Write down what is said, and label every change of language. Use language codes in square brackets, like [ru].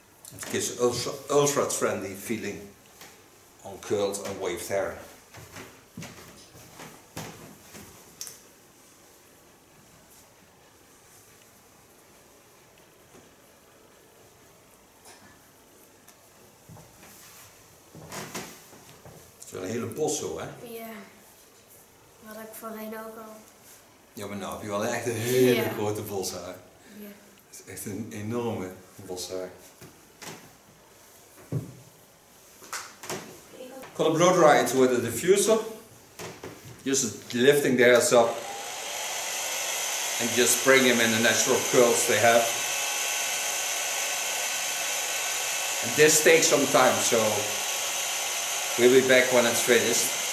[en] It gives ultra-trendy feeling on curled and waved hair. [nl] Het is wel een hele bos zo, hè? Ja, had ik voorheen ook al. Ja, maar nou heb je wel echt een hele grote bos haar. Ja. Het is echt een enorme bos haar. [en] I'm gonna blow dry it with a diffuser, just lifting the hairs up and just bring them in the natural curls they have. And this takes some time, so we'll be back when it's finished.